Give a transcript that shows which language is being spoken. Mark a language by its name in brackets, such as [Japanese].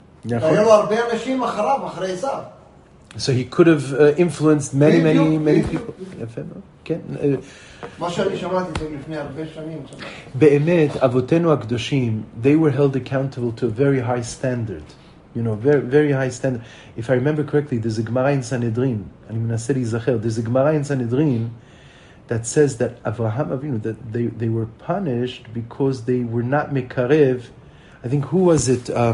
[Hebrew] הרי היו הרבה אנשים אחריו, אחרי עשיו. [English] So he could have influenced many, many, many people. [Hebrew] יפה, כן. מה שאני שמעתי זה לפני הרבה שנים. באמת, אבותינו הקדושים, [English] they were held accountable to a very high standard. You know, very, very high standard. If I remember correctly, there's a Gemara in Sanhedrin. [Hebrew] Ani menaseh leizacher. [English] There's a Gemara in Sanhedrin that says that Avraham Avinu, that they were punished because they were not mekarev. I think, who was it?